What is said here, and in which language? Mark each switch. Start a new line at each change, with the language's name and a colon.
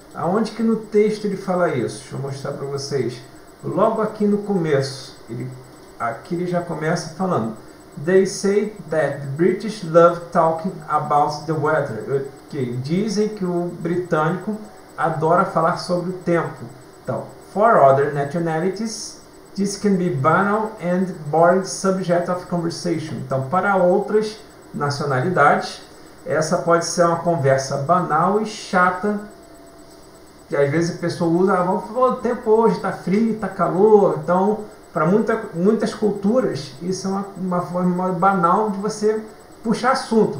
Portuguese: Aonde que no texto ele fala isso? Deixa eu mostrar para vocês. Logo aqui no começo, aqui ele já começa falando:
English: They say that the British love talking about the weather.
Portuguese: Okay. Dizem que o britânico adora falar sobre o tempo.
English: Então, for other nationalities, this can be banal and boring subject of conversation.
Portuguese: Então, para outras nacionalidades, essa pode ser uma conversa banal e chata, que às vezes a pessoa usa, ah, vamos falar, o tempo hoje está frio, está calor. Então, para muitas culturas, isso é uma forma banal de você puxar assunto.